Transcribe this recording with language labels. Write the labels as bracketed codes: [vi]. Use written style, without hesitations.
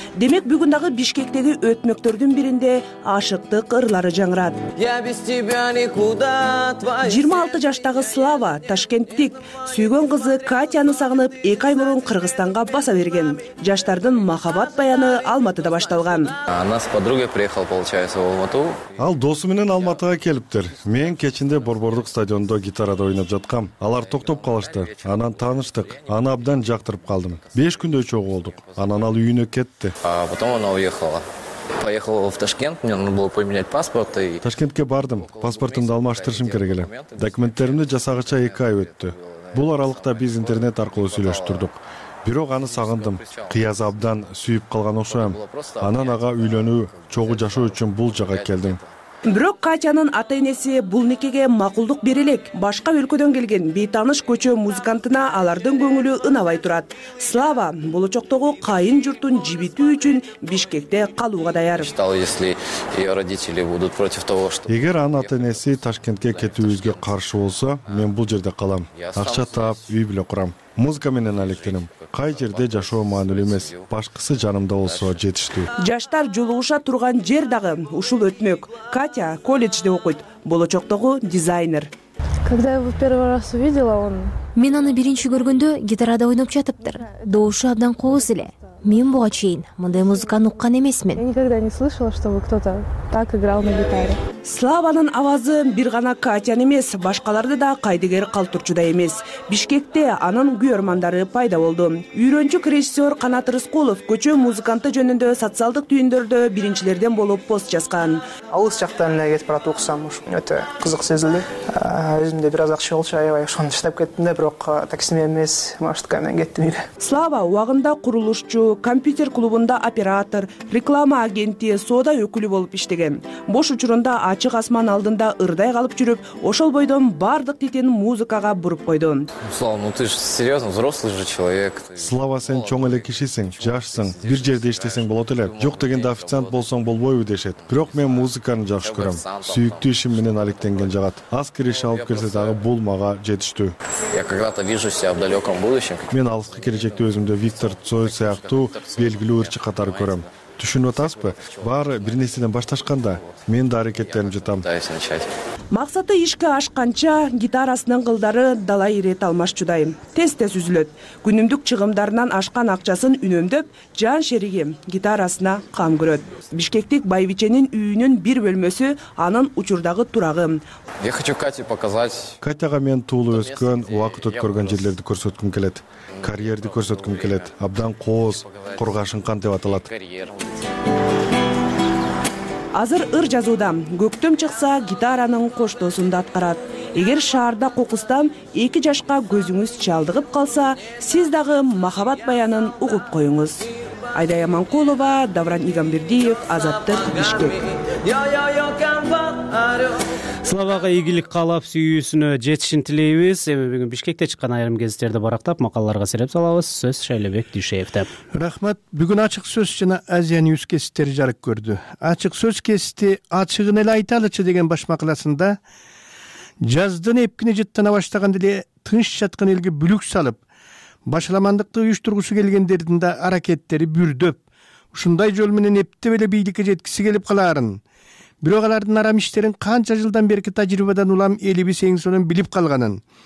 [ky] Демек бүгүн дагы Бишкектеги өтмөктөрдүн биринде ашыктык ырлары жаңырат. 26 жаштагы Слава ташкенттик, сүйгөн кызы Катяны сагынып 2 ай мурун Кыргызстанга баса берген. Жаштардын махабат баяны Алматыда башталган. [ru] Нас подруга приехал, получается, в Алмату. [ky] Ал досу менен Алматыга келиптир. Мен кечинде Борбордук стадиондо гитарада ойноп жаткам. Алар токтоп калышты. Анан тааныштык. Аны абдан жактырып калдым. 5 күндөй чогуу болдук. Анан ал үйүнө кетти. [ru] А потом она уехала. Поехал в Ташкент, мне нужно было поменять паспорт. [ky] Ташкентке бардым. Паспортумду алмаштырышым керек эле. Документтеримди жасагыча 2 ай өттү. Бул аралыкта биз интернет аркылуу сүйлөштүрдүк. Бирок аны сагындым. Кыяз абдан сүйүп калган окшойм. Анан ага үйлөнүү, чогуу жашоо үчүн бул жага келдим. Бирок Катянын ата-энеси бул никеге макулдук бере элек. Башка өлкөдөн келген бейтааныш көчө музыкантына алардын көңүлү ынабай турат. Слава болочоктогу кайын журтун жибитүү үчүн Бишкекте калууга даяр. Эгер анын ата-энеси Ташкентке кетүүбүзгө каршы болсо, мен бул жерде калам. Акча таап, үй бүлө курам. Музыка менен алектенем. Кай жерде жашоо маанилүү эмес, башкысы жанымда болсо жетиштүү. Жаштар жолугуша турган жер дагы ушул өтмөк. Катя колледжде окуйт, болочоктогу дизайнер. [ru] Когда я его первый раз увидела, он... [ky] Мен аны биринчи көргөндө гитарада ойноп жатыптыр. Доошу абдан кооз эле. Мен буга чейин мындай музыканы уккан эмесмин. [ru] Я никогда не слышала, чтобы кто-то так играл на гитаре. [ky] Славанын авазы бир гана Катян эмес, башкаларды да кайдыгер калтурчудай эмес. Бишкекте анын күйөрмандары пайда болду. Үйрөнчүк режиссер Канат Рыскулов көчө музыканты жөнүндө социалдык түйүндөрдө биринчилерден болуп пост жазган. Алыс жактан эле кетип баратып уксам өтө кызык сезилди. Өзүмдө бир аз акча болчу, аябай ошону таштап кеттим да, бирок такси менен эмес, маштыка менен кеттим үйгө. Слава убагында курулушчу, компьютер клубунда оператор, реклама агенти, соода өкүлү болуп иштеген. Бош учурунда ачык асман алдында ырдай калып жүрүп, ошол бойдон бардык титен музыкага буруп койду. [ru] Слава, ну ты ж серьёзно взрослый же человек. [ky] Слава, сен чоң эле кишисиң, жашсың, бир жерде иштесең болот эле. Жок дегенде официант болсоң болбойбу дешет. Бирок мен музыканы жакшы көрөм. Сүйүктүү ишим менен алектенген жагат. Аз кириш алып келсе дагы бул мага жетиштүү. [ru] Я когда-то вижу себя в далёком будущем. [ky] Мен алыскы келечекте өзүмдү Виктор Цой сыяктуу белгилүү ырчы катары көрөм. Түшүнүп атасызбы? Баары бир нерседен башташканда мен да аракеттерим жатам. Максаты ишке ашканча гитарасынын кылдары далай ирет алмашчудайым. Тез-тез үзүлөт. Күнүмдүк чыгымдарынан ашкан акчасын үнөмдөп, жан шеригим гитарасына кам көрөт. Бишкектик байбиченин үйүнүн бир бөлмөсү анын учурдагы турагы. [ru] Я хочу Кате показать. [ky] Катяга мен туулуп өскөн, убакыт өткөргөн жерлерди көрсөткүм келет. Карьерди көрсөткүм келет. Абдан кооз, кургашынкан деп аталат. Азыр ыр жазуудам. Көктөм чыкса, гитаранын коштоосун да аткарат. Эгер шаарда кокустан 2 жашка көзүңүз чалдыгып калса, сиз дагы махабат баянын угуп коюңуз. Айда Яманкулова, Давран Игамбердиев, Азаттык, Бишкек. Славага ийгилик каалап, сүйүүсүнө жетишин тилейбиз. Эми бүгүн Бишкекте чыккан айрым гезиттерди барактап, макалаларга сүрөт салабыз. Сөз Шайлебек Дүйшеевде. Рахмат. Бүгүн Ачык сөз жана Азия Ньюс гезиттери жарык көрдү. Ачык сөз гезити ачыгын эле айталычы деген баш макаласында жаздын эпкини жыттана баштаганда эле тынч жаткан элге бүлүк салып, башаламандыкты уюштургусу келгендердин да аракеттери бүрдөп, ушундай жол менен эптеп эле бийликке жеткиси келип калаарын, бирок алардын арам иштерин канча жылдан берки тажрыйбадан улам элибиз эң сонун билип калганын,